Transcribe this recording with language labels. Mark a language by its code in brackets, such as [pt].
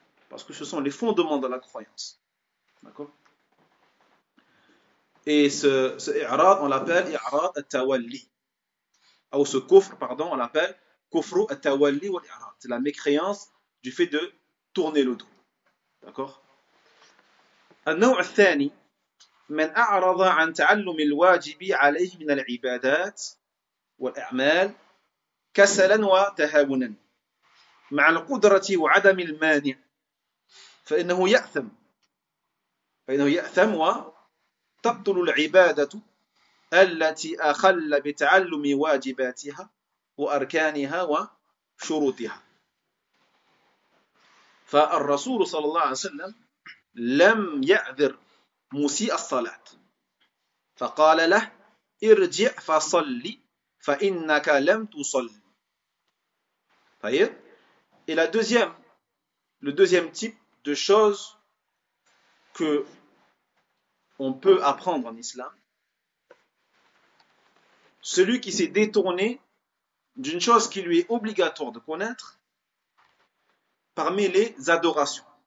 [fr] Parce que ce sont les fondements de la croyance. D'accord? Et ce i'rad, on l'appelle i'rad al-tawalli. Ou ce kufr, pardon, on l'appelle kufru al-tawalli wal-i'rad. C'est la mécréance du fait de tourner le dos. D'accord? [ar] النوع الثاني من أعرض عن تعلم الواجب عليه من العبادات والأعمال كسلا وتهاونا مع القدرة وعدم المانع فإنه يأثم وتبطل العبادة التي أخل بتعلم واجباتها وأركانها وشروطها. فالرسول صلى الله عليه وسلم لم يعذر مسيء الصلاة فقال له ارجع فصلي فإنك لم تصل. طيب. [fr] Et la deuxième, le deuxième type de choses que on peut apprendre en islam, celui qui s'est détourné d'une chose qui lui est obligatoire de connaître parmi les adorations.